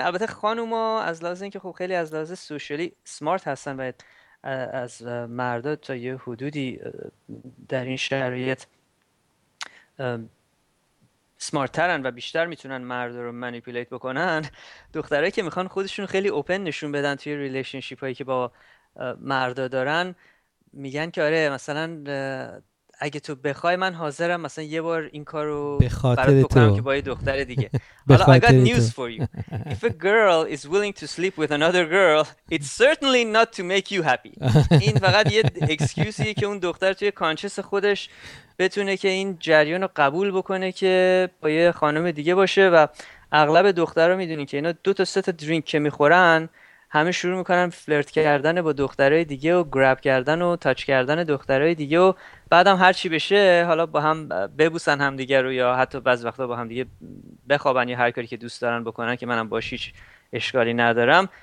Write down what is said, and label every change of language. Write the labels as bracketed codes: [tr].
[fa] البته خانوما از لحاظ اینکه خب خیلی از لحاظ سوشیالی سمارت هستن و از مردا تا یه حدودی در این شرایط سمارت ترن و بیشتر میتونن مرد رو منیپولیت بکنن، دخترایی که میخوان خودشون خیلی اوپن نشون بدن توی ریلیشنشیپ هایی که با مردا دارن، میگن که آره مثلا اگه تو بخوای من حاضرم مثلا یه بار این کارو به خاطر برات بکنم تو. که با یه دختر دیگه. حالا [en] I got news for you. If a girl is willing to sleep with another girl, it's certainly not to make you happy. [fa] این فقط یه اکسکیوزیه که اون دختر توی کانشس خودش بتونه که این جریان رو قبول بکنه که با یه خانم دیگه باشه. و اغلب دخترها میدونین که اینا دو تا سه تا درینک که میخورن همه شروع میکنن فلرت کردن با دخترهای دیگه و گراب کردن و تاچ کردن دخترهای دیگه، و بعدم هر چی بشه حالا با هم ببوسن همدیگه رو، یا حتی بعض وقتا با هم دیگه بخوابن یا هر کاری که دوست دارن بکنن که منم باش هیچ اشکالی ندارم.